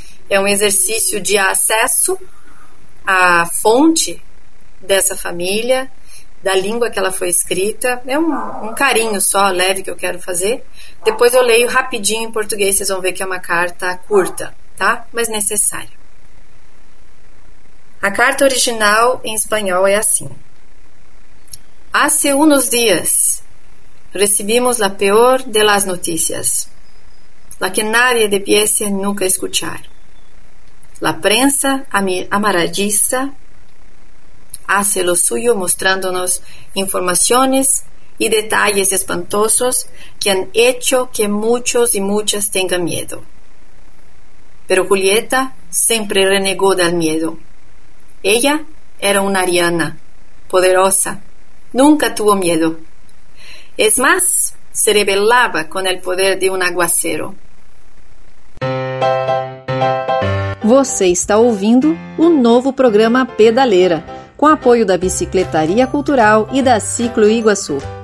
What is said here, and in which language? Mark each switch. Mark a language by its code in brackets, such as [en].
[pt] É um exercício de acesso à fonte dessa família, da língua que ela foi escrita. É um carinho só, leve, que eu quero fazer. Depois eu leio rapidinho em português, vocês vão ver que é uma carta curta, tá? Mas necessária. A carta original em espanhol é assim. [es] Hace unos días recibimos la peor de las noticias, la que nadie debiese nunca escuchar. La prensa amarilliza hace lo suyo mostrándonos informaciones y detalles espantosos que han hecho que muchos y muchas tengan miedo. Pero Julieta siempre renegó del miedo. Ella era una ariana, poderosa, nunca tuvo miedo. Es más, se rebelaba con el poder de un aguacero. [pt] Você está ouvindo o novo programa Pedaleira, com apoio da Bicicletaria Cultural e da Ciclo Iguaçu.